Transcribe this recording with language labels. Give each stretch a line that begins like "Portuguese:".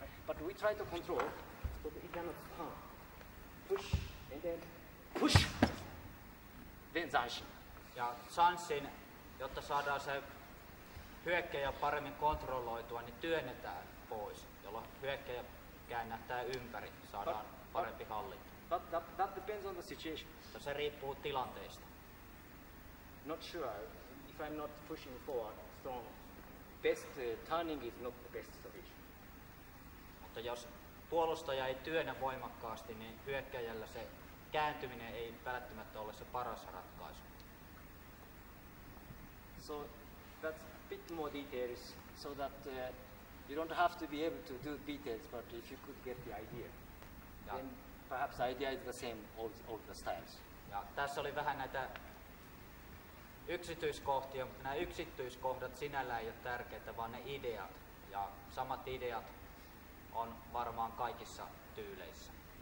English: But we try to control, so he cannot come. Push and then push. Then danshi.
Finnish: Ja chanssin, jotta saadaan se hyökkäjä paremmin kontrolloitua, niin työnnetään pois, jolloin hyökkäjä käännähtää ympäri, saadaan parempi hallinta.
English: But that depends on the situation.
Finnish: Ja se riippuu tilanteesta.
English: Not sure, if I'm not pushing forward strong, best turning is not the best solution.
Finnish: Mutta jos puolustaja ei työnnä voimakkaasti, niin hyökkäjällä se kääntyminen ei välttämättä ole se paras ratkaisu.
English: So that's a bit more details, so that you don't have to be able to do details, but if you could get the idea,
Finnish: ja
English: then perhaps the idea is the same all the styles.
Finnish: Ja tässä oli vähän näitä yksityiskohtia, mutta nämä yksityiskohdat sinällään ei ole tärkeitä, vaan ne ideat. Ja samat ideat on varmaan kaikissa tyyleissä.